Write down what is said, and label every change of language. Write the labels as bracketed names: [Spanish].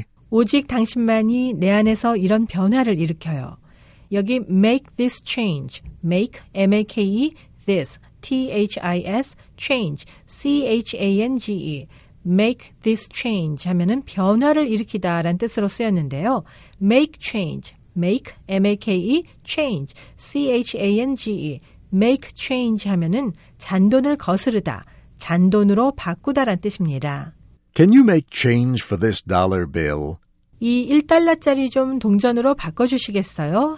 [Korean] 오직 당신만이 내 안에서 이런 변화를 일으켜요. 여기 [English] make this change, make, M-A-K-E, this, T-H-I-S, change, C-H-A-N-G-E, make this change [Korean] 하면은 변화를 일으키다 라는 뜻으로 쓰였는데요. [English] make change, make, M-A-K-E, change, C-H-A-N-G-E, make change [Korean] 하면은 잔돈을 거스르다, 잔돈으로 바꾸다 라는 뜻입니다. [English] Can you make change for this dollar bill? [Korean] 이 1달러짜리 좀 동전으로 바꿔주시겠어요?